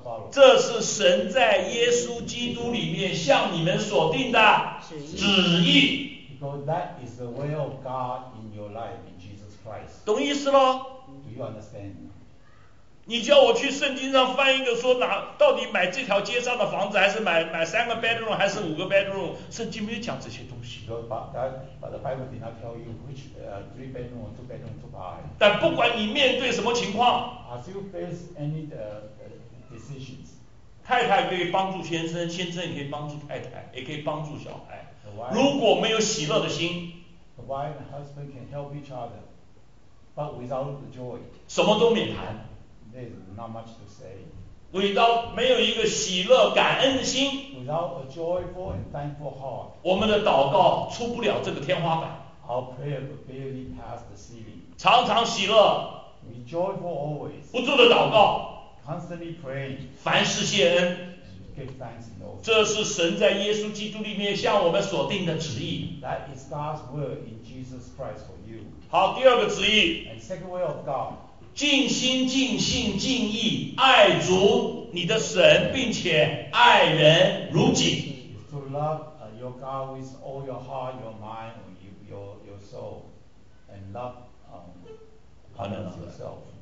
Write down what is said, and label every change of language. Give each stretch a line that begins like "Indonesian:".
Chinese: 这是神在耶稣基督里面向你们所定的旨意。
English: Because that is the will of God in your life in Jesus Christ.
Chinese: 懂意思咯？
English: Do you understand?
Chinese: 你叫我去圣经上翻一个，说哪到底买这条街上的房子，还是买三个 bedroom， 还是五个 bedroom？圣经没有讲这些东西。
English: But the Bible did not tell you which three bedroom or two bedroom to buy.
Chinese: 但不管你面对什么情况
English: ，As you face any decisions，
Chinese: 太太可以帮助先生，先生也可以帮助太太，也可以帮助小孩。如果没有喜乐的心
English: ，The wife and husband can help each other， but without the joy，
Chinese: 什么都免谈。
English: There's not much to say. Without
Chinese: 没有一个喜乐感恩的心
English: ，Without a joyful and thankful heart，
Chinese: 我们的祷告出不了这个天花板。
English: Our prayer will barely pass the ceiling.
Chinese: 常常喜乐
English: ，Be joyful always.
Chinese: 不住的祷告
English: ，Constantly praying.
Chinese: 凡事谢恩
English: ，Give thanks in all.
Chinese: 这是神在耶稣基督里面向我们所定的旨意。
English: That is God's will in Jesus Christ for you.
Chinese: 好，第二个旨意
English: ，And second will of God.
Chinese: 尽心尽性尽意爱主你的神，并且爱人如己。
English: To love your God with all your heart, your mind, your soul, and love yourself.